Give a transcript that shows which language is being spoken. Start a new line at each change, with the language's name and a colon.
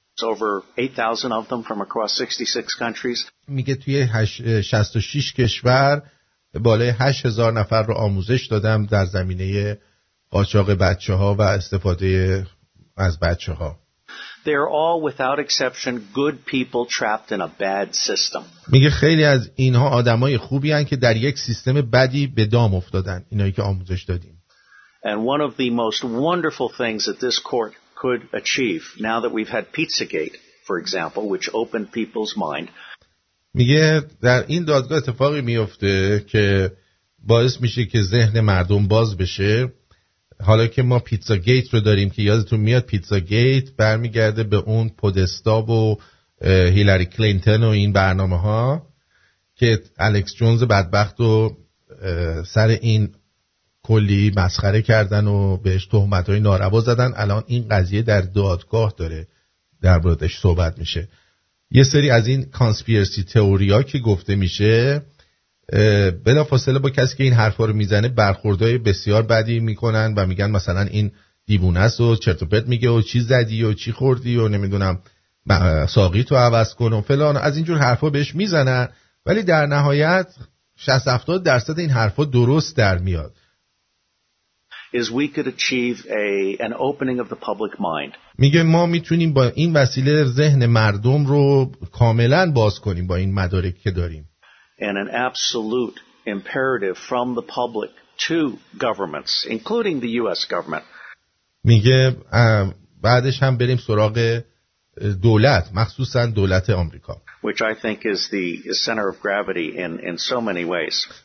English: Over 8,000 of them from across 66 countries.
Persian: میگه توی 66 کشور بالای 8,000 نفر رو آموزش دادم در زمینه قاچاق بچه‌ها و استفاده از بچه‌ها.
English: They are all without exception good people trapped in a bad system.
Persian: میگه خیلی از اینها آدمای خوبی هستند که در یک سیستم بدی به دام افتادن، اینایی که آموزش دادیم.
English: And one of the most wonderful things that this court could achieve now that we've had Pizzagate, for example, which opened people's mind.
Persian: میگه در این دادگاه اتفاقی میفته که باعث میشه که ذهن مردم باز بشه. حالا که ما پیتزا گیت رو داریم که یادتون میاد پیتزا گیت برمیگرده به اون پودستا و هیلاری کلینتون و این برنامه ها که الکس جونز بدبخت و سر این کلی مسخره کردن و بهش تهمت های ناروا زدن. الان این قضیه در دادگاه داره در موردش صحبت میشه. یه سری از این کانسپیرسی تئوری ها که گفته میشه بلافاصله با کسی که این حرفا رو میزنه برخوردهای بسیار بدی میکنن و میگن مثلا این دیوونه است و چرت و پرت میگه و چی زدی و چی خوردی و نمیدونم ساقی تو عوض کن و فلان، از اینجور حرفا بهش میزنن، ولی در نهایت 60-70 درصد این حرفا درست در میاد.
English: Is we could achieve an opening of the public mind.
Persian: میگه ما میتونیم با این وسیله ذهن مردم رو کاملا باز کنیم با این مدارک که داریم.
English: And an absolute imperative from the public to governments, including the U.S. government.
Persian: میگه بعدش هم بریم سراغ دولت، مخصوصا دولت آمریکا.
English: Which I think is the center of gravity in so many ways.